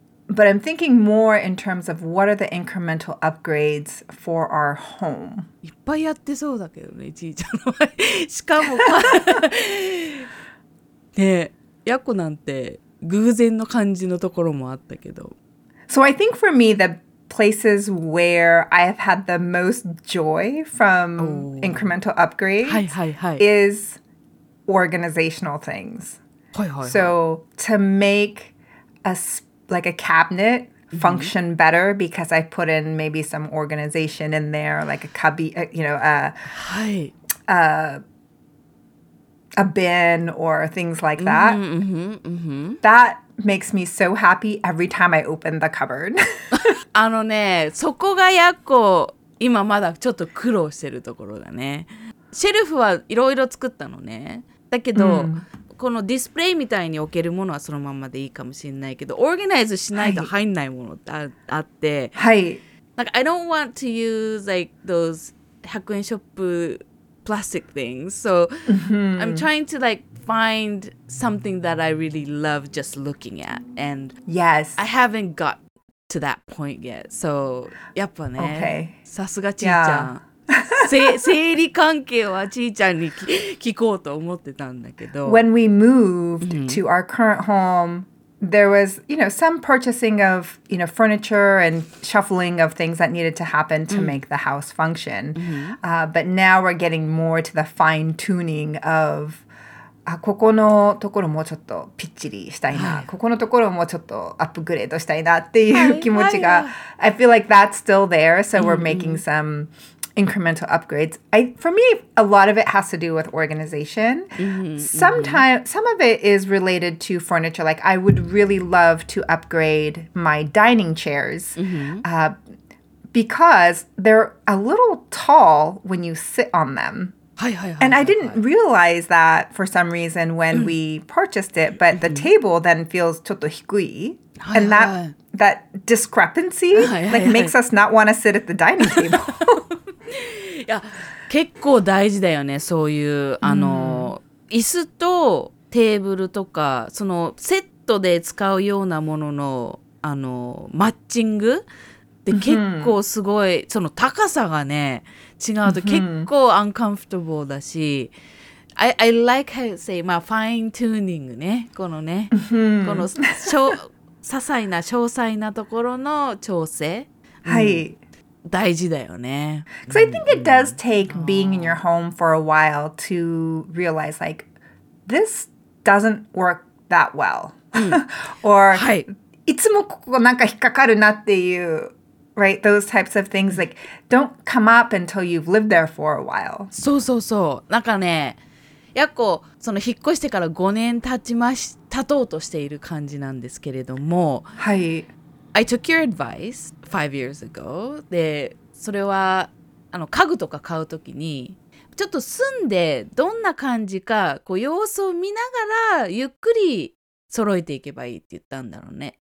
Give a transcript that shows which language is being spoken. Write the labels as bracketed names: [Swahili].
[English] But I'm thinking more in terms of what are the incremental upgrades for our home. [Japanese] いっぱいやってそうだけどね、ちいちゃんの前。しかも、ね、やこなんて偶然の感じのところもあったけど。 [English] So I think for me, theplaces where I have had the most joy from incremental upgrades is organizational things. [Japanese] はいはいはい。 [English] So to make a cabinet function mm-hmm. better because I put in maybe some organization in there, like a cubby, you know, a bin or things like that. Mm-hmm, mm-hmm. That makes me so happy every time I open the cupboard. [Japanese] あのね、そこがやっこ今まだちょっと苦労してるところだね。シェルフはいろいろ作ったのね。だけど、このディスプレイみたいに置けるものはそのままでいいかもしれないけど、オーガナイズしないと入んないものって あって、はい。 [English] なんか、I don't want to use like those 100円ショップplastic things. So I'm trying to like find something that I really love just looking at. And yes, I haven't got to that point yet. So, [Japanese] やっぱね。 [English] Okay. [Japanese] さすがちーちゃん。生理関係はちーちゃんに聞こうと思ってたんだけど。 [English] When we moved to our current home, there was, you know, some purchasing of, you know, furniture and shuffling of things that needed to happen to make the house function. But now we're getting more to the fine tuning of, [Japanese] ここのところもうちょっとピッチリしたいな。ここのところもうちょっとアップグレードしたいなっていう気持ちが。 [English] I feel like that's still there. So we're making some incremental upgrades. For me, a lot of it has to do with organization. Some of it is related to furniture. Like, I would really love to upgrade my dining chairs because they're a little tall when you sit on them. And I didn't realize that for some reason when we purchased it, but the table then feels [Japanese] ちょっと低い. [English] And that discrepancy like makes us not want to sit at the dining table. [Japanese] いや結構大事だよねそういうあの、椅子とテーブルとかそのセットで使うようなものの、あのマッチングって結構すごいその高さがね違うと結構アンカンフォータブルだし [English] I like how you say [Japanese] まあファイントゥーニングねこのねこの些細な詳細なところの調整はい大事だよね。 [English] Because I think it does take being in your home for a while to realize, like, this doesn't work that well. [Japanese] Or, いつもここなんか引っかかるなっていう、right? [English] Those types of things, like, don't come up until you've lived there for a while. [Japanese] そうそうそう。なんかね、やっこ、その引っ越してから5年経とうとしている感じなんですけれども。はい。 [English] I took your advice 5 years ago. [Japanese] で、それはあの家具とか買うときに、ちょっと住んでどんな感じか、こう様子を見ながらゆっくり揃えていけばいいって言ったんだろうね。